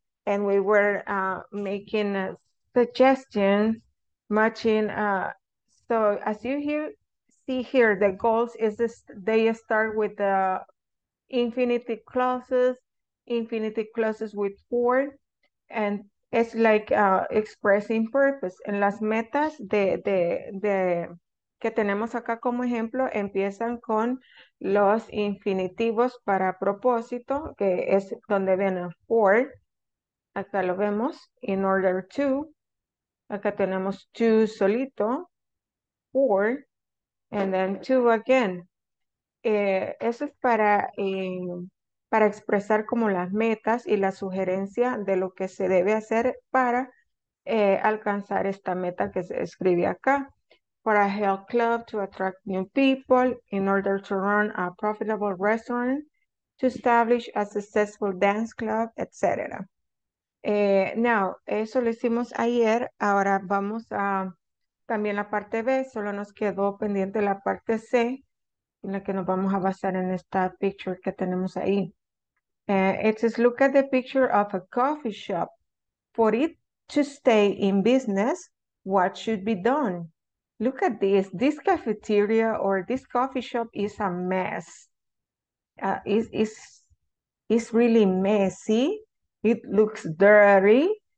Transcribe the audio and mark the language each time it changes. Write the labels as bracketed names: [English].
[English] And we were making a suggestion matching. So as you hear, see here, the goals is this, they start with the infinitive clauses with for, and it's like expressing purpose. [Spanish] En las metas de que tenemos acá como ejemplo, empiezan con los infinitivos para propósito, que es donde viene for. Acá lo vemos, in order to. Acá tenemos to solito, for, [English] and then to again. [Spanish] Eso es para expresar como las metas y la sugerencia de lo que se debe hacer para alcanzar esta meta que se escribe acá. [English] For a health club to attract new people, in order to run a profitable restaurant, to establish a successful dance club, etc. [Spanish] Now, eso lo hicimos ayer. Ahora vamos a también la parte B. Solo nos quedó pendiente la parte C, en la que nos vamos a basar en esta picture que tenemos ahí. [English] It says, look at the picture of a coffee shop. For it to stay in business, what should be done? Look at this. This cafeteria or this coffee shop is a mess. It's really messy. It looks dirty.